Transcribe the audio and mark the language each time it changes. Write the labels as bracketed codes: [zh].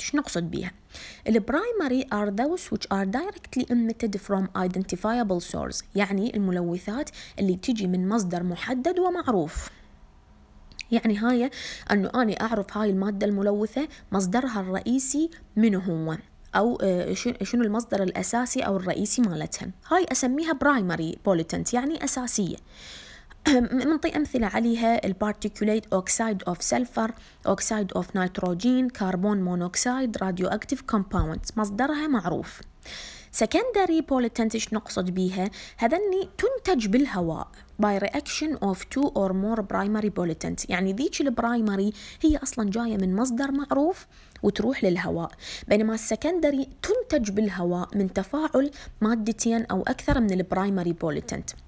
[ar] شو نقصد بيها؟ البرايمري [en] are those which are directly emitted from identifiable source، [ar] يعني الملوثات اللي تجي من مصدر محدد ومعروف. يعني هاي أنه أنا أعرف هاي المادة الملوثة مصدرها الرئيسي من هو، أو شنو المصدر الأساسي أو الرئيسي مالتها. هاي أسميها primary pollutant، يعني أساسية. منطي أمثلة عليها [en] particulate oxide of sulfur، oxide of nitrogen، carbon monoxide، radioactive compounds، [ar] مصدرها معروف. secondary pollutant إيش نقصد بيها؟ هذني تنتج بالهواء [en] by reaction of two or more primary pollutants، [ar] يعني ذيك البرايمري هي أصلا جاية من مصدر معروف وتروح للهواء، بينما السكندري تنتج بالهواء من تفاعل مادتين أو أكثر من البرايمري بوليتنت.